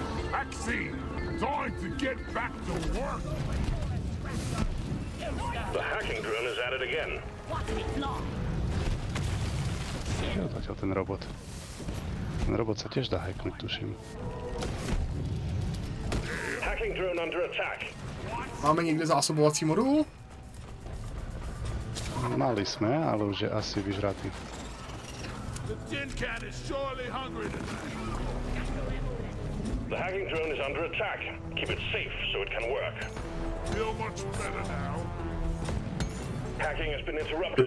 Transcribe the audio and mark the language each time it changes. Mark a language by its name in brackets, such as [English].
[English] Maxi, time to get back to work. The hacking drone is at it again. [Czech] Jo, to chtěl ten robot. Ten robot se těž dá hacknout, tuším. [English] Hacking drone under attack. [Czech] Máme někde zásobovací modul? Mali jsme, ale už je asi vyžratý. [English] The tin cat is surely hungry. The hacking drone is under attack. Keep it safe so it can work. Feel much better now. Hacking has been interrupted.